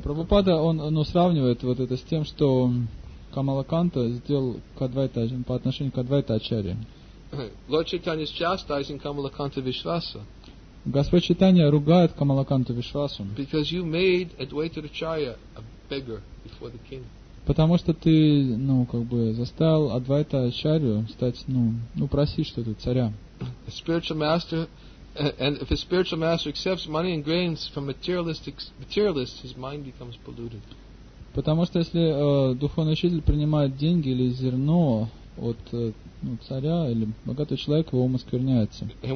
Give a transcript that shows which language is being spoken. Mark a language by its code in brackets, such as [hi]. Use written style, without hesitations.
[ru] Прабхупада, он, сравнивает вот это с тем, что Камалаканта сделал Адвайта, по отношению к Адвайта Ачарье. [en] Lord Chaitanya is chastising Kamalakanta Vishvasa. [ru] Господь Чайтанья ругает Камалаканту Вишвасу. [en] Because you made Advaita Acharya a beggar before the king. [ru] Потому что ты, заставил Адвайта Ачарью стать, просить что-то царя. [en] A spiritual master, and if a spiritual master accepts money and grains from materialists, his mind becomes polluted. [ru] Потому что если духовный учитель принимает деньги или зерно от царя или богатого человека, его ум оскверняется.